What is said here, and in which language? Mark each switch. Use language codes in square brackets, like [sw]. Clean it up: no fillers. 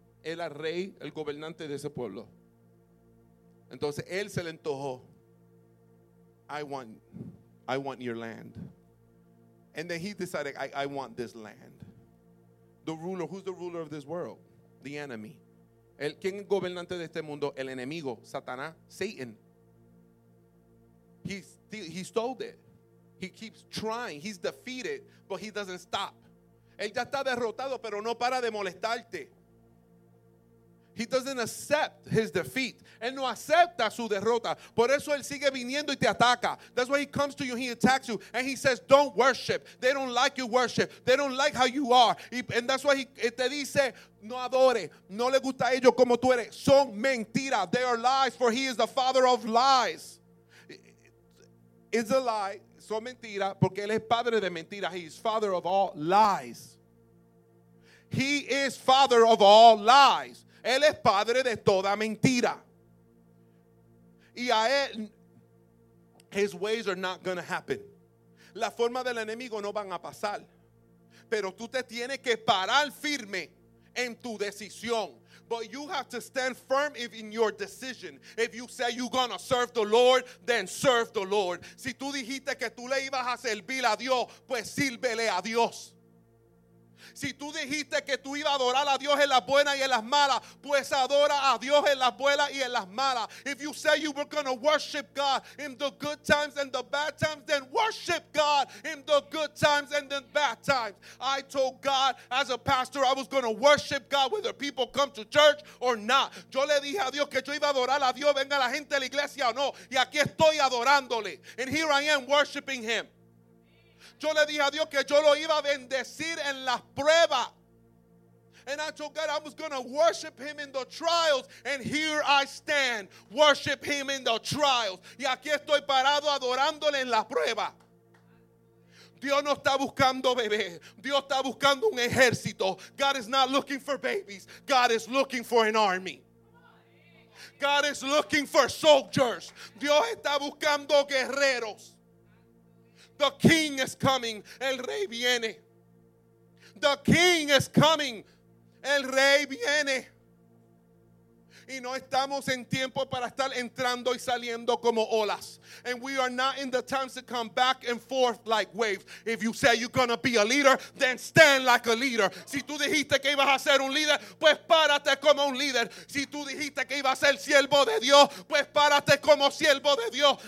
[es] Él era rey, el gobernante de ese pueblo. Entonces, él se le antojó. [en] I want your land. And then he decided, I want this land. The ruler, who's the ruler of this world? The enemy. [es] El, ¿quién es gobernante de este mundo? El enemigo, Satanás, Satan. [en] He stole it. He keeps trying. He's defeated, but he doesn't stop. [es] Él ya está derrotado, pero no para de molestarte. [en] He doesn't accept his defeat. [es] Él no acepta su derrota. Por eso él sigue viniendo y te ataca. [en] That's why he comes to you, he attacks you, and he says, don't worship. They don't like your worship. They don't like how you are. And that's why he [es] te dice, no adore. No le gusta a ellos como tú eres. Son mentiras. [en] They are lies, for he is the father of lies. It's a lie. [es] Son mentiras, porque él es padre de mentiras. [en] He is father of all lies. He is father of all lies. [es] Él es padre de toda mentira. Y a él, [en] his ways are not going to happen. [es] La forma del enemigo no van a pasar. Pero tú te tienes que parar firme en tu decisión. [en] But you have to stand firm in your decision. If you say you're going to serve the Lord, then serve the Lord. [es] Si tú dijiste que tú le ibas a servir a Dios, pues sírvele a Dios. Si tú dijiste que tú ibas a adorar a Dios en las buenas y en las malas, pues adora a Dios en las buenas y en las malas. [en] If you say you were going to worship God in the good times and the bad times, then worship God in the good times and the bad times. I told God as a pastor I was going to worship God whether people come to church or not. [es] Yo le dije a Dios que yo iba a adorar a Dios, venga la gente a la iglesia o no. Y aquí estoy adorándole. [en] And here I am worshiping him. [es] Yo le dije a Dios que yo lo iba a bendecir en las pruebas. [en] And I told God I was going to worship him in the trials. And here I stand. Worship him in the trials. [es] Y aquí estoy parado adorándole en la prueba. Dios no está buscando bebés. Dios está buscando un ejército. [en] God is not looking for babies. God is looking for an army. God is looking for soldiers. [es] Dios está buscando guerreros. [en] The king is coming. [es] El rey viene. [en] The king is coming. [es] El rey viene. Y no estamos en tiempo para estar entrando y saliendo como olas. [en] And we are not in the times to come back and forth like waves. If you say you're going to be a leader, then stand like a leader. [es] Si tú dijiste que ibas a ser un líder, pues párate como un líder. Si tú dijiste que ibas a ser siervo de Dios, pues párate como siervo de Dios.